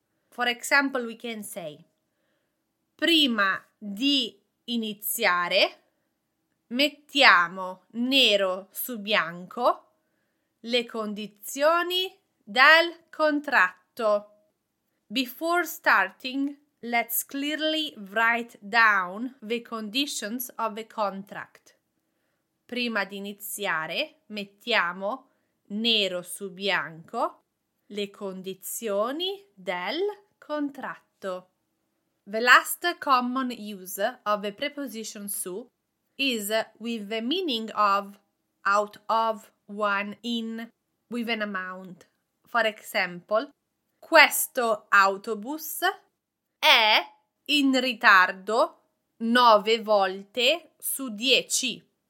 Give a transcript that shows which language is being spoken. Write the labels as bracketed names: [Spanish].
[English] For example, we can say [Italian] prima di iniziare mettiamo nero su bianco le condizioni del contratto. [English] Before starting, let's clearly write down the conditions of the contract. [Italian] Prima di iniziare, mettiamo nero su bianco le condizioni del contratto. [English] The last common use of the preposition su is with the meaning of, out of, one, in, with an amount. For example, [Italian] questo autobus è in ritardo 9 volte su 10.